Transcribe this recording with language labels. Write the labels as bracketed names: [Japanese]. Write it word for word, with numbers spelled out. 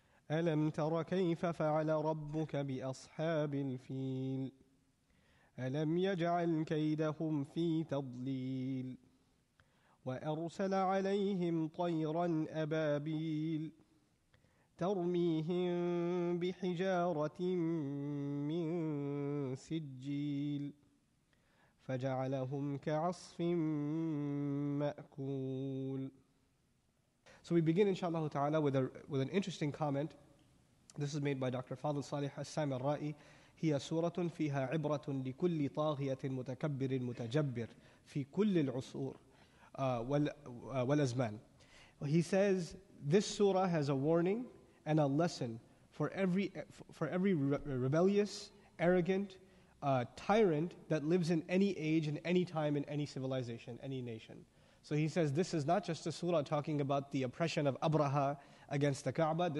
[Arabic] ألم تر كيف فعل ربك بأصحاب الفيل؟ ألم يجعل كيدهم في تضليل؟ وأرسل عليهم طيرا أبابيل ترميهم بحجارة من سجيل فجعلهم كعصف مأكول. [English] So we begin inshallah ta'ala with, a, with an interesting comment. This is made by Doctor Fadil Salih Al-Samirai. [Arabic] هي سورة فيها عبرة لكل طاغية متكبر متجبر في كل العصور والأزمان. [English] He says this surah has a warning and a lesson for every for every re- rebellious, arrogant, uh, tyrant that lives in any age, in any time, in any civilization, any nation. So he says this is not just a surah talking about the oppression of Abraha against the Kaaba.